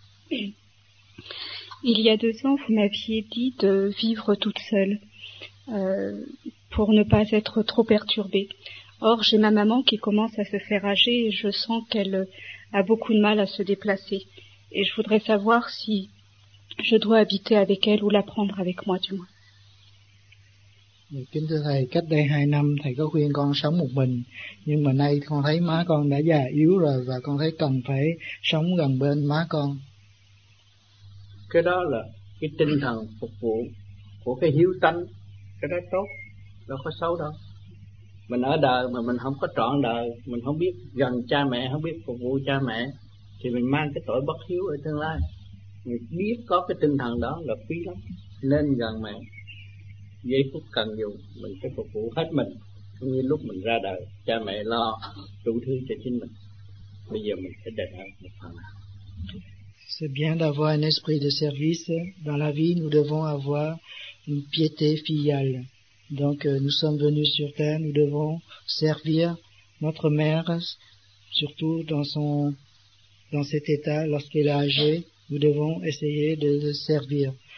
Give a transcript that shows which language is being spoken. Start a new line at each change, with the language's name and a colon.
French: Il y a 2 ans, vous m'aviez dit de vivre toute seule pour ne pas être trop perturbée. Or, j'ai ma maman qui commence à se faire âgée et je sens qu'elle a beaucoup de mal à se déplacer. Et je voudrais savoir si je dois habiter avec elle ou la prendre avec moi, du moins.
Vietnamese: Kính thưa thầy, cách đây 2 năm thầy có khuyên con sống một mình, nhưng mà nay con thấy má con đã già yếu rồi và con thấy cần phải sống gần bên má con. Cái đó là cái tinh thần phục vụ của cái hiếu tánh, cái đó tốt, đâu có xấu đâu. Mình ở đời mà mình không có trọn đời, mình không biết gần cha mẹ, không biết phục vụ cha mẹ, thì mình mang cái tội bất hiếu ở tương lai. Mình biết có cái tinh thần đó là quý lắm, nên gần mẹ. Giây phút cần dùng, mình phải phục vụ hết mình. Cũng như lúc mình ra đời, cha mẹ lo đủ thứ cho chính mình. Bây giờ mình sẽ đền ơn một phần nào.
French: C'est bien d'avoir un esprit de service. Dans la vie, nous devons avoir une piété filiale. Donc, nous sommes venus sur terre, nous devons servir notre mère, surtout dans cet état, lorsqu'elle est âgée, nous devons essayer de le servir.